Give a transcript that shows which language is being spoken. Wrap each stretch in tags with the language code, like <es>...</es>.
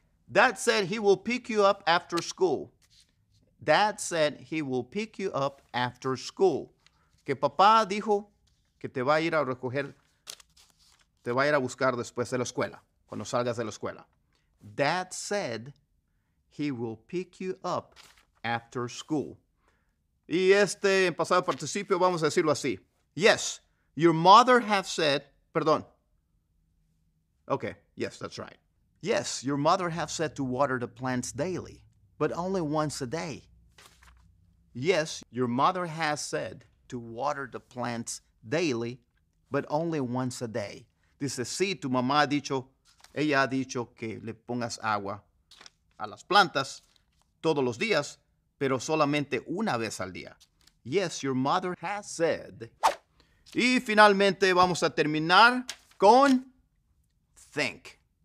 <en>Dad said he will pick you up after school. Dad said he will pick you up after school.</en> <es>Que papá dijo que te va a ir a recoger, te va a ir a buscar después de la escuela, cuando salgas de la escuela.</es> <en>Dad said he will pick you up after school.</en> <es>Y este en pasado participio vamos a decirlo así.</es> <en>Yes, your mother have said, perdón. Okay, yes, that's right. Yes, your mother have said to water the plants daily, but only once a day. Yes, your mother has said to water the plants daily, but only once a day.</en> <es>Dice, sí, tu mamá ha dicho, ella ha dicho que le pongas agua a las plantas todos los días, pero solamente una vez al día.</es> <en>Yes, your mother has said.</en> <es>Y finalmente vamos a terminar con think.</es>